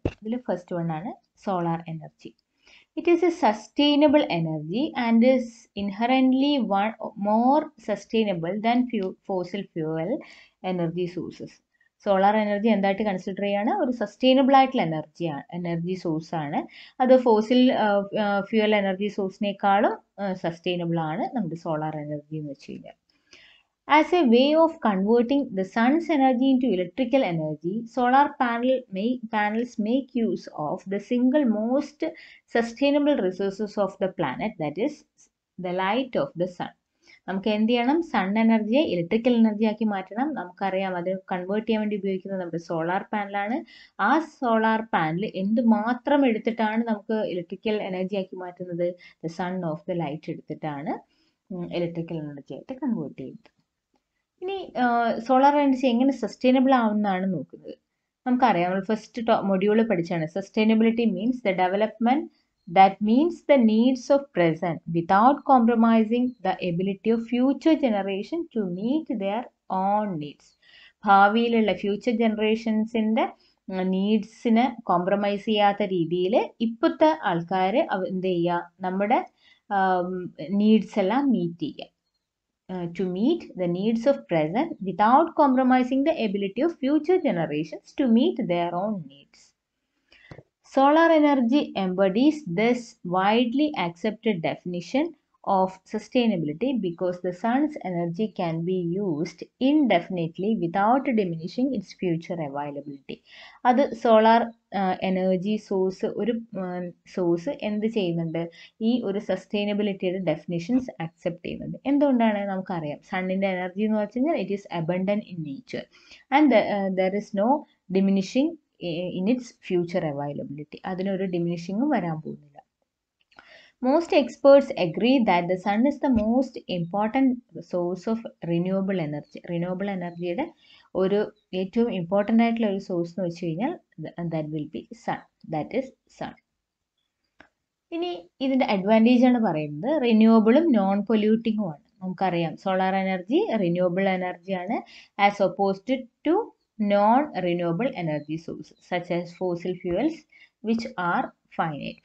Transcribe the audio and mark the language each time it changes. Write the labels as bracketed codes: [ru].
[en] ഇതിൽ first one ആണ് solar energy. It is a sustainable energy and is inherently one more sustainable than fossil fuel energy sources. [ml] Solar energy എന്തായിട്ട് consider ചെയ്യുകയാണ്? ഒരു sustainable ആയിട്ടുള്ള energy സോഴ്സാണ്. അത് fossil fuel energy സോഴ്സിനേക്കാളും sustainable ആണ് നമ്മുടെ സോളാർ എനർജി എന്ന് വെച്ച് കഴിഞ്ഞാൽ. [en] As a way of converting the sun's energy into electrical energy, solar panels make use of the single most sustainable resources of the planet, that is the light of the sun. [ml] നമുക്ക് എന്ത് ചെയ്യണം? Sun എനർജിയെ electrical energy ആക്കി മാറ്റണം. നമുക്കറിയാം അത് convert ചെയ്യാൻ വേണ്ടി ഉപയോഗിക്കുന്നത് നമ്മുടെ സോളാർ പാനലാണ്. ആ സോളാർ പാനൽ എന്ത് മാത്രം എടുത്തിട്ടാണ് നമുക്ക് ഇലക്ട്രിക്കൽ എനർജി ആക്കി മാറ്റുന്നത്? The son of the light എടുത്തിട്ടാണ് ഇലക്ട്രിക്കൽ എനർജി ആയിട്ട് കൺവേർട്ട് ചെയ്യുന്നത്. ഇനി സോളാർ എനർജി എങ്ങനെ സസ്റ്റൈനബിൾ ആവുന്നതാണ് നോക്കുന്നത്. നമുക്കറിയാം നമ്മൾ ഫസ്റ്റ് മൊഡ്യൂളിൽ പഠിച്ചാണ് [en] Sustainability means the development that means the needs of present without compromising the ability of future generation to meet their own needs. [ml] ഭാവിയിലുള്ള future ജനറേഷൻസിൻ്റെ നീഡ്സിനെ compromise ചെയ്യാത്ത രീതിയിൽ ഇപ്പോഴത്തെ ആൾക്കാർ എന്ത് ചെയ്യുക? നമ്മുടെ നീഡ്സ് എല്ലാം മീറ്റ് ചെയ്യുക. [en] To meet the needs of present without compromising the ability of future generations to meet their own needs. Solar energy embodies this widely accepted definition of sustainability because the sun's energy can be used indefinitely without diminishing its future availability. [ml] അത് solar energy source ഒരു source എന്ത് ചെയ്യുന്നുണ്ട്, ഈ ഒരു സസ്റ്റൈനബിലിറ്റിയുടെ definitions accept ചെയ്യുന്നുണ്ട്. എന്തുകൊണ്ടാണ്? നമുക്കറിയാം സണ്ണിൻ്റെ energy എന്ന് വെച്ച് കഴിഞ്ഞാൽ [en] It is abundant in nature and there is no diminishing in its future availability. [ml] അതിനൊരു ഡിമിനിഷിങ്ങും വരാൻ പോകുന്നു. [en] Most experts agree that the sun is the most important source of renewable energy. Renewable energy is one of the most important sources of renewable energy, and that will be sun. That is sun. [ml] ഇനി ഇതിൻ്റെ advantage ആണ് പറയുന്നത്, റിന്യൂവബിളും non പൊല്യൂട്ടിങ്ങുമാണ്. നമുക്കറിയാം solar energy renewable എനർജിയാണ് [en] As opposed to non renewable energy source such as fossil fuels which are finite.